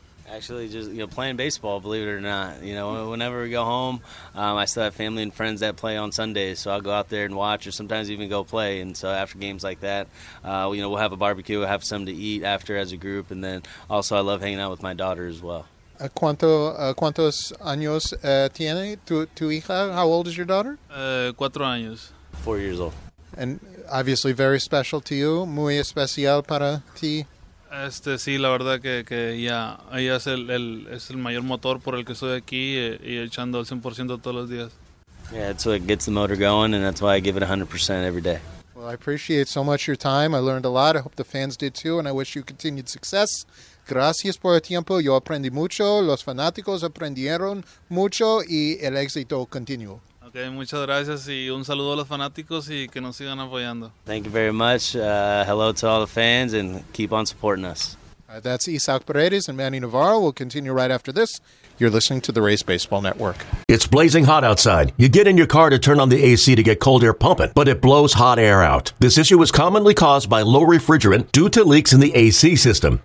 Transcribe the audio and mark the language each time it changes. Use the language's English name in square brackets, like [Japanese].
[English] Actually, just, you know, playing baseball, believe it or not. You know, whenever we go home, I still have family and friends that play on Sundays, so I'll go out there and watch or sometimes even go play. And so after games like that, you know, we'll have a barbecue, we'll have something to eat after as a group. And then also I love hanging out with my daughter as well. [Spanish] ¿Cuántos años tiene tu hija? [English] How old is your daughter? [Spanish] 4 años. [English] 4 years old. And obviously very special to you. [Spanish] Muy especial para ti. Sí, la verdad que ella es el mayor motor por el que estoy aquí y echando el 100% todos los días. [English] Yeah, that's what gets the motor going, and that's why I give it 100% every day. Well, I appreciate so much your time. I learned a lot. I hope the fans did too, and I wish you continued success. [Spanish] Gracias por el tiempo. Yo aprendí mucho. Los fanáticos aprendieron mucho y el éxito continuó. Okay, muchas gracias y un saludo a los fanáticos y que nos sigan apoyando. [English] Thank you very much. Hello to all the fans and keep on supporting us. That's Isak Paredes and Manny Navarro. We'll continue right after this. You're listening to the Rays Baseball Network. It's blazing hot outside. You get in your car to turn on the AC to get cold air pumping, but it blows hot air out. This issue is commonly caused by low refrigerant due to leaks in the AC system.